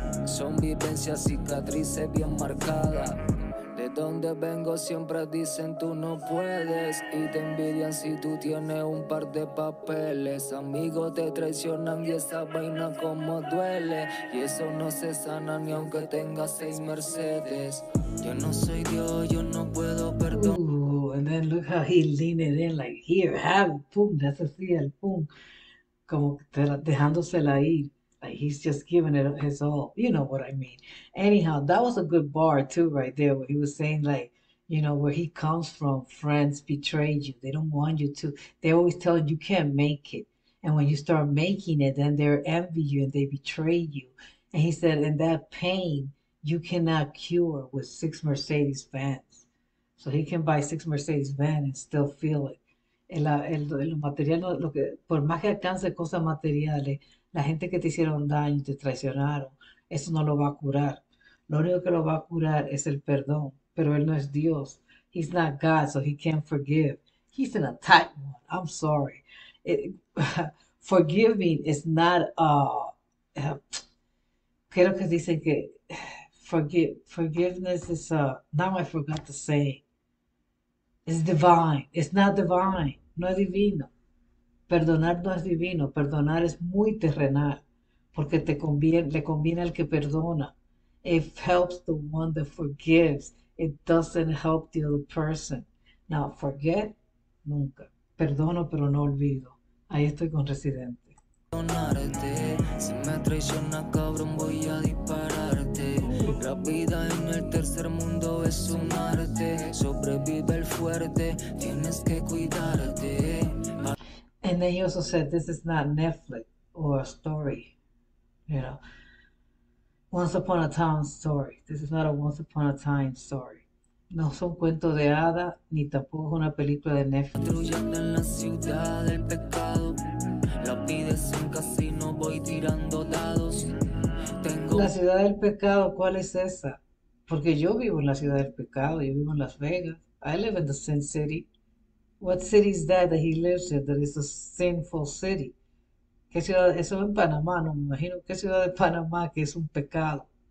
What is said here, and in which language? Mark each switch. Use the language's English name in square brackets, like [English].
[Spanish] Son vivencias, cicatrices bien marcadas. De donde vengo siempre dicen tú no puedes. Y te envidian si tú tienes un par de papeles. Amigos te traicionan y esa vaina como duele. Y eso no se sana ni aunque tengas 6 Mercedes. Yo no soy Dios, yo no puedo perdonar. [English] Ooh, and then look how he leaned in like here, have, boom, that's a feel, boom. [Spanish] Como dejándosela ir. [English] Like he's just giving it his all. You know what I mean. Anyhow, that was a good bar too right there where he was saying like, you know, where he comes from, friends betrayed you. They don't want you to. They always tell you, you can't make it. And when you start making it, then they envy you and they betray you. And he said, and that pain you cannot cure with 6 Mercedes Benz. So he can buy 6 Mercedes Benz and still feel it. [Spanish] El material, lo que, por más que alcance cosas materiales, la gente que te hicieron daño, te traicionaron, eso no lo va a curar. Lo único que lo va a curar es el perdón. Pero él no es Dios. [English] He's not God, so he can't forgive. He's in a tight one. I'm sorry. Forgiving is not... [Spanish] creo que dicen que... [English] Forgiveness is... now I forgot to say. It's divine. It's not divine. [Spanish] No es divino. Perdonar no es divino, perdonar es muy terrenal, porque le conviene al que perdona. [English] It helps the one that forgives. It doesn't help the other person. Now, forget, [Spanish] nunca. Perdono, pero no olvido. Ahí estoy con Residente. Perdonarte, si me traiciona, cabrón, voy a dispararte. La vida en el tercer mundo es un arte. Sobrevive el fuerte, tienes que cuidarte. [English] And then he also said, this is not Netflix or a story, you know, once upon a time story. This is not a once upon a time story. [Spanish] No son cuentos de hada, ni tampoco una película de Netflix. Destruyendo en la ciudad del pecado, la vida es un casino, voy tirando dados. Tengo... La ciudad del pecado, ¿cuál es esa? Porque yo vivo en la ciudad del pecado, yo vivo en Las Vegas. [English] I live in the Sin City. What city is that he lives in that is a sinful city? [Spanish] ¿Qué ciudad? Eso en Panamá, no me imagino. ¿Qué ciudad de Panamá que es un pecado?